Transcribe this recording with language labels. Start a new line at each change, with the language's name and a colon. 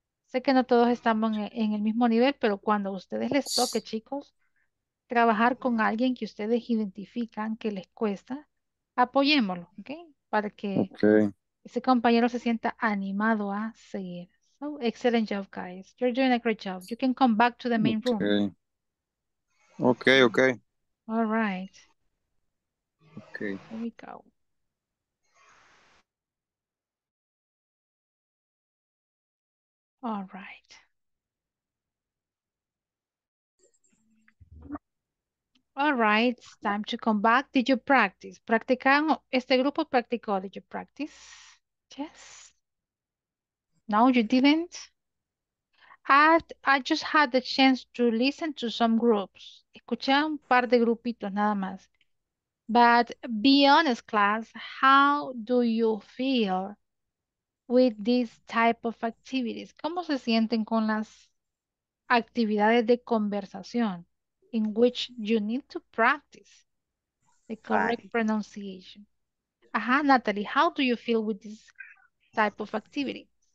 Spanish: Sé que no todos estamos en el mismo nivel, pero cuando a ustedes les toque, chicos, trabajar con alguien que ustedes identifican que les cuesta, apoyémoslo, ¿ok? Para que ese compañero se sienta animado a seguir.
English: So, excellent job, guys. You're doing a great job. You can come back to the main room. Okay, okay. All right. Okay. Here we go. All right. All right, it's time to come back. Did you practice?
Spanish: ¿Practicaron? ¿Este grupo practicó?
English: Did you practice? Yes. No, you didn't. I just had the chance to listen to some groups.
Spanish: Escuché un par de grupitos nada más.
English: But be honest, class, how do you feel with this type of activities?
Spanish: ¿Cómo se sienten con las actividades de conversación?
English: In which you need to practice the correct pronunciation. Aha, Natalie, how do you feel with this type of activity?